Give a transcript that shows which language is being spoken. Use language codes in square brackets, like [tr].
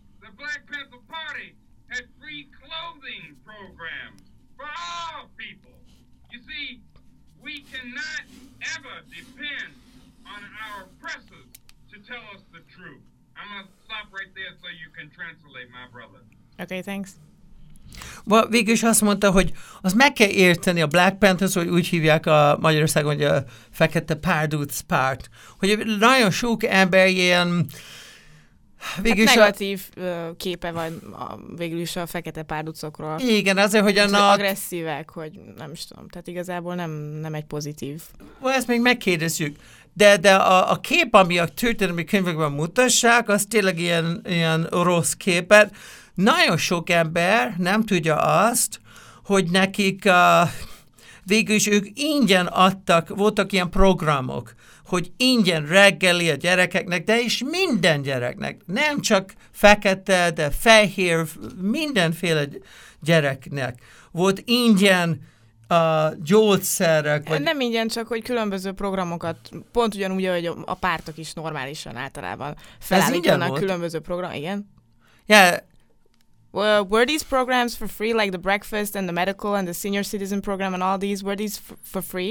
[en] The Black Panther Party had free clothing programs for all people. You see, we cannot ever depend on our oppressors to tell us the truth. I'm going to stop right there so you can translate, my brother. Okay, thanks. [hu] Well, végülis azt mondta, hogy az meg kell érteni a Black Panthers, hogy úgy hívják a Magyarországon, hogy a Fekete Párduc párt, hogy nagyon sok ember ilyen végülis hát negatív képe van végülis a Fekete Párducokról. Igen, azért, hogy agresszívek, hogy nem is tudom, tehát igazából nem egy pozitív. Well, ezt még megkérdezzük, de a kép, ami a történelmi könyvekben mutassák, az tényleg ilyen rossz képet. Nagyon sok ember nem tudja azt, hogy nekik végül is ők ingyen adtak, voltak ilyen programok, hogy ingyen reggeli a gyerekeknek, de is minden gyereknek, nem csak fekete, de fehér, mindenféle gyereknek. Volt ingyen a gyógyszerek, vagy... Nem ingyen, csak hogy különböző programokat, pont ugyanúgy, hogy a pártok is normálisan általában felállítanak különböző program, igen. [en] Yeah. Well, were these programs for free, like the breakfast and the medical and the senior citizen program and all these, were these for free?